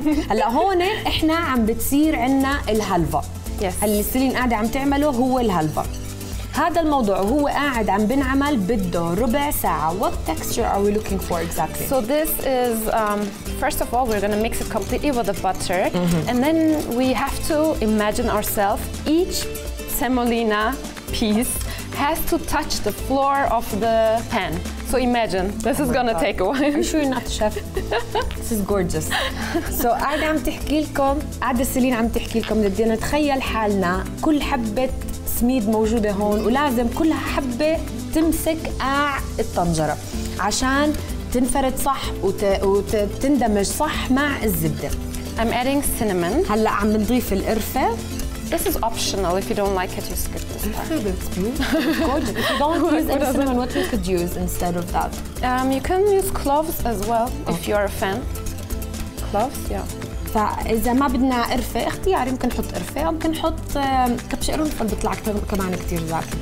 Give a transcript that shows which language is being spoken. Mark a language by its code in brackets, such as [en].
[ar] هلا هون احنا عم بتصير عنا الهلفا [en] yes. [ar] اللي سيلين قاعدة عم تعمله هو الهلفا هذا الموضوع هو قاعد عم بنعمل بده ربع ساعة [en] What texture are we looking for exactly? So this is first of all we're gonna mix it completely with the butter mm-hmm. and then we have to imagine ourselves each semolina piece has to touch the floor of the pan. So imagine, this is gonna take a while. I'm sure you're not a chef. This is gorgeous. [ar] So قاعدة عم تحكي لكم, قاعدة سيلين عم تحكي لكم, بدنا نتخيل حالنا كل حبة سميد موجودة هون ولازم كل حبة تمسك قاع الطنجرة عشان تنفرد صح وتندمج صح مع الزبدة. [en] I'm adding cinnamon. [ar] هلا عم نضيف القرفة. [en] This is optional. If you don't like it, you skip this part. Gorgeous. If you don't use any cinnamon, what you could use instead of that? You can use cloves as well if you are a fan. Cloves, yeah. [ar] فإذا ما بدنا قرفة اختياري ممكن نحط قرفة أو ممكن نحط كبش قرنفل بيطلع كمان كتير زاك.